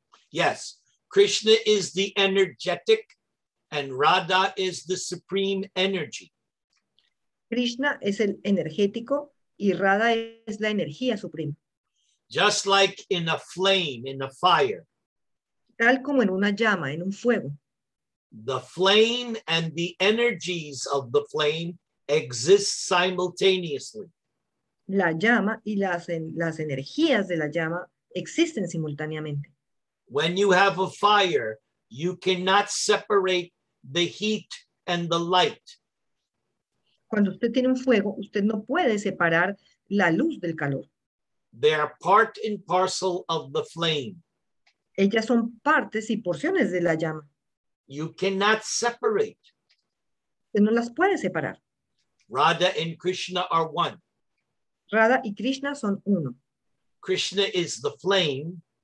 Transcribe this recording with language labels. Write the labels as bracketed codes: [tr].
[en] Yes, Krishna is the energetic and Radha is the supreme energy. [es] Krishna es el energético y Radha es la energía suprema. [en] Just like in a flame, in a fire. [es] Tal como en una llama, en un fuego. [en] The flame and the energies of the flame exist simultaneously. [es] La llama y las energías de la llama existen simultáneamente. [en] When you have a fire, you cannot separate the heat and the light. [es] Cuando usted tiene un fuego, usted no puede separar la luz del calor. [en] They are part and parcel of the flame. [es] Ellas son partes y porciones de la llama. [en] You cannot separate. [es] Usted no las puede separar. [en] Radha and Krishna are one. [es] Radha y Krishna son uno. [en] Krishna is the flame.